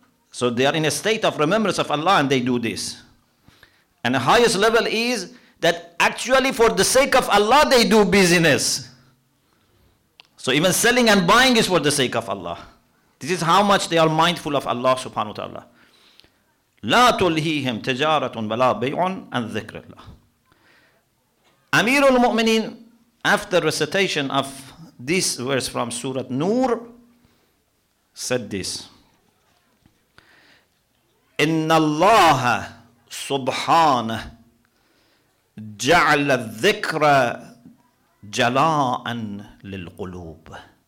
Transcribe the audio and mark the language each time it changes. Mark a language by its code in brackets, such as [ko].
[en] So they are in a state of remembrance of Allah and they do this. And the highest level is that actually for the sake of Allah they do business. So even selling and buying is for the sake of Allah. This is how much they are mindful of Allah subhanahu wa ta'ala. [ar] لا تلهيهم تجارة ولا بيع عن ذكر الله. [en] Amir al-Mu'mineen, after recitation of this verse from Surah Nur, said this. [ar] إن الله سبحانه جعل الذكر جلاء للقلوب.